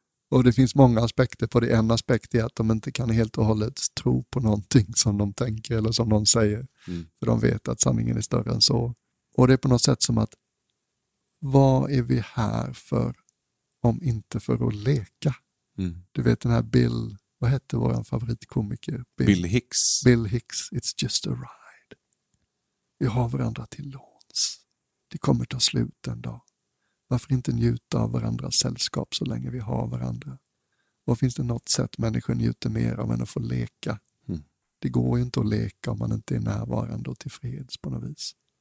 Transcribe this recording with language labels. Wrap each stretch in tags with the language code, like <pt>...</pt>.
<sv>Och det finns många aspekter på det. En aspekt är att de inte kan helt och hållet tro på någonting som de tänker eller som de säger. För de vet att sanningen är större än så. Och det är på något sätt som att, vad är vi här för om inte för att leka? Du vet den här Bill, vad hette vår favoritkomiker? Bill Hicks.</sv> <en>Bill Hicks, it's just a ride.</en> <sv>Vi har varandra till låns. Det kommer ta slut en dag. Varför inte njuta av varandras sällskap så länge vi har varandra? Och finns det något sätt människor njuter mer av än att få leka? Det går ju inte att leka om man inte är närvarande och till freds på något vis.</sv>